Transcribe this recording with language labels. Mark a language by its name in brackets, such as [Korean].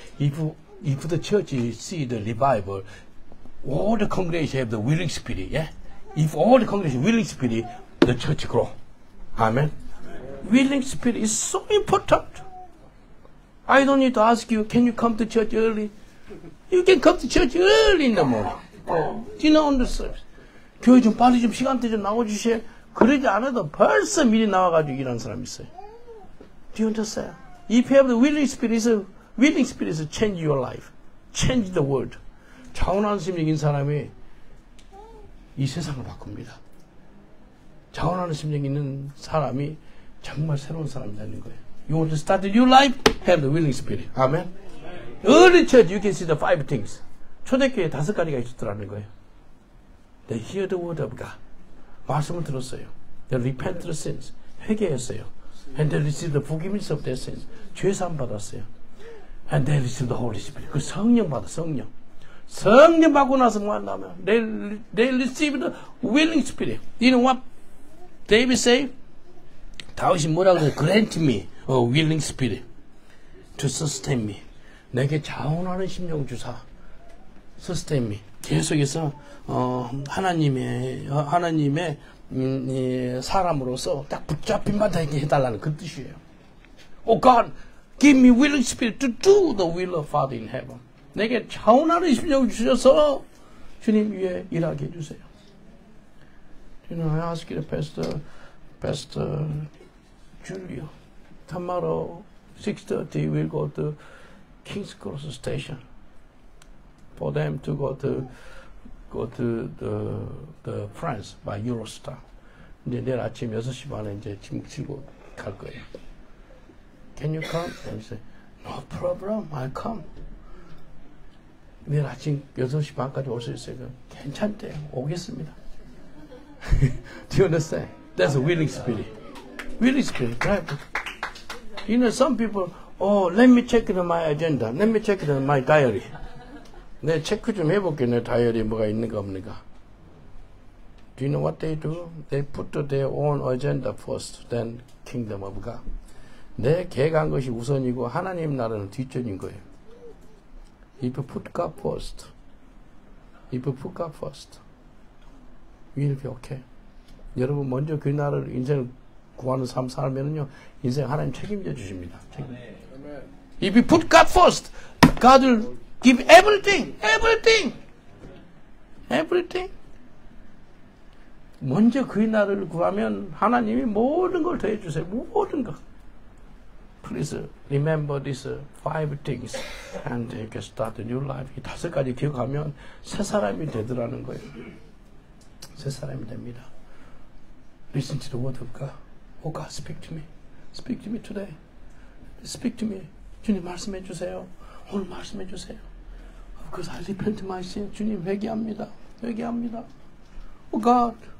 [English] If the church see the revival, all the congregation have the willing spirit. Yeah. If all the congregation willing spirit, the church grow. Amen. Willing spirit is so important. I don't need to ask you. Can you come to church early? You can come to church early in the morning. Dinner on the service. [Korean] 교회 좀 빨리 좀 시간대 좀 나와주세요. 그러지 않아도 벌써 미리 나와가지고 일하는 사람 있어요. [English] Do you understand? If you have the willing spirit is change your life. Change the world. [Korean] 자원하는 심령인 사람이 이 세상을 바꿉니다. 자원하는 심령 있는 사람이 정말 새로운 사람이 되는 거예요. [English] You want to start a new life? Have the willing spirit. Amen. Amen. early church, you can see the five things. [Korean] 초대교회에 다섯 가지가 있었더라는 거예요. [English] They hear the word of God. [Korean] 말씀을 들었어요. [English] They repent of sins. [Korean] 회개했어요. [English] And they receive the forgiveness of their sins. [Korean] 죄사함 받았어요. [English] And they receive the Holy Spirit. [Korean] 그 성령 받아, 성령. 성령 받고 나서 뭐 한다면? [English] They receive the willing spirit. You know what David say? [Korean] 다윗이 뭐라고 해? [English] Grant me a willing spirit to sustain me. [Korean] 내게 자원하는 심령 주사. [English] Sustain me. [Korean] 계속해서 하나님의 이 사람으로서 딱 붙잡힌 바 되게 해달라는 그 뜻이에요. [English] Oh God, give me willing spirit to do the will of Father in heaven. [Korean] 내게 자원하는 심령을 주셔서 주님 위에 일하게 해주세요. [English] You know, I ask you, Pastor Julio, tomorrow 6:30 we'll go to King's Cross Station for them to go to the France by Eurostar. [Korean] 이제 내일 아침 6시 반에 이제 짐 들고 갈 거예요. [English] Can you come? And he said, no problem, I'll come. [Korean] 내일 아침 6시 반까지 올 수 있어요. 괜찮대요. 오겠습니다. [English] Do you understand? That's a willing spirit. Willing spirit, right? You know, some people, oh, let me check it on my agenda. Let me check it on my diary. [Korean] 내 체크 좀 해볼게, 내 다이어리에 뭐가 있는가 없는가. [English] Do you know what they do? They put their own agenda first, then kingdom of God. [Korean] 내 계획한 것이 우선이고 하나님 나라는 뒷전인 거예요. [English] If you put God first, if you put God first, we'll be okay. [Korean] 여러분 먼저 그 나라를 인생을 구하는 삶 살면은요 인생 하나님 책임져 주십니다. [English] 책임. If you put God first, God will give everything. [Korean] 먼저 그 나라를 구하면 하나님이 모든 걸 더해 주세요. 모든 것. [English] Please remember these five things and you can start a new life. [Korean] 이 다섯 가지 기억하면 새 사람이 되더라는 거예요. 새 사람이 됩니다. [English] Listen to the word of God. Oh God, speak to me. Speak to me today. Speak to me. [Korean] 주님 말씀해 주세요. 오늘 말씀해 주세요. [English] Of course, I repent my sin. [Korean] 주님 회개합니다. 회개합니다. [English] Oh God.